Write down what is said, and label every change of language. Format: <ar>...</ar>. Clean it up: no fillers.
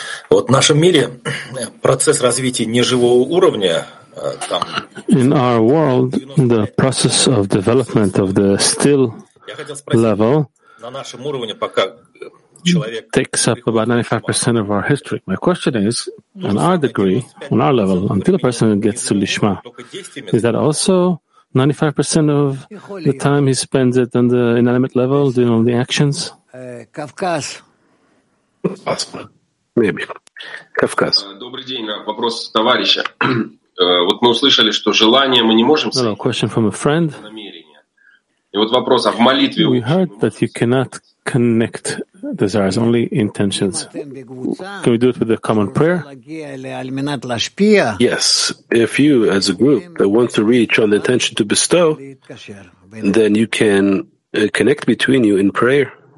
<ru>Вот в нашем мире процесс развития неживого уровня там.</ru> <en>In our world, the process of development of the still level takes up about 95% of our history. My question is, on our degree, on our level, until a person gets to Lishma, is that also 95% of the time he spends it on the inanimate level, doing all the actions? Kavkaz. Maybe. Kavkaz.</en> <ru>Добрый день. Вопрос товарища. Вот мы услышали, что желание мы не можем.</ru> <en>Hello, question from a friend.</en> <ru>И вот вопрос, а в молитве?</ru> <en>We heard that you cannot connect desires, only intentions. Can we do it with a common prayer? Yes. If you, as a group, want to reach on the intention to bestow, then you can connect between you in prayer.</en>